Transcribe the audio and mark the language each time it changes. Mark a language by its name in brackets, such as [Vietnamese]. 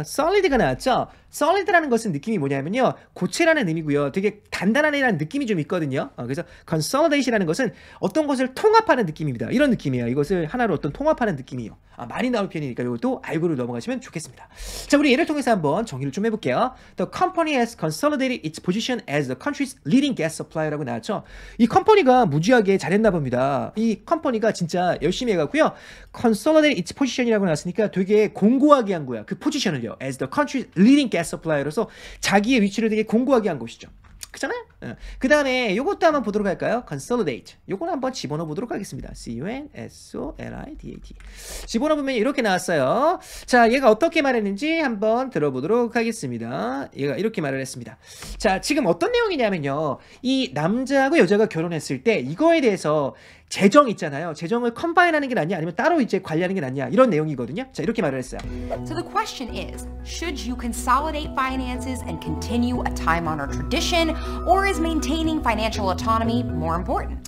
[Korean] Solid가 나왔죠? Solid라는 것은 느낌이 뭐냐면요. 고체라는 의미고요. 되게 단단한 애라는 느낌이 좀 있거든요. 그래서 Consolidate이라는 것은 어떤 것을 통합하는 느낌입니다. 이런 느낌이에요. 이것을 하나로 어떤 통합하는 느낌이에요. 많이 나올 편이니까 이것도 알고 넘어가시면 좋겠습니다. 자, 우리 예를 통해서 한번 정리를 좀 해볼게요. [English] The company has consolidated its position as the country's leading gas supplier라고 나왔죠. [Korean] 이 컴퍼니가 무지하게 잘했나 봅니다. 이 컴퍼니가 진짜 열심히 해갖고요. Consolidated its position이라고 나왔으니까 되게 공고하게 한 거야. 그 포지션을요. [English] As the country's leading gas supplier [Korean] 로서 자기의 위치를 되게 공고하게 한 것이죠. 그잖아요? 그 다음에 이것도 한번 보도록 할까요? Consolidate. 이건 한번 집어넣어보도록 하겠습니다. [English] C-O-N-S-O-L-I-D-A-T. [Korean] 집어넣어보면 이렇게 나왔어요. 자, 얘가 어떻게 말했는지 한번 들어보도록 하겠습니다. 얘가 이렇게 말을 했습니다. 자, 지금 어떤 내용이냐면요. 이 남자하고 여자가 결혼했을 때 이거에 대해서 재정 있잖아요. 재정을 컴바인하는 게 낫냐 아니면 따로 이제 관리하는 게 낫냐 이런 내용이거든요. 자, 이렇게 말을 했어요. [English] So the question is, should you consolidate finances and continue a time-honored tradition or is maintaining financial autonomy more important?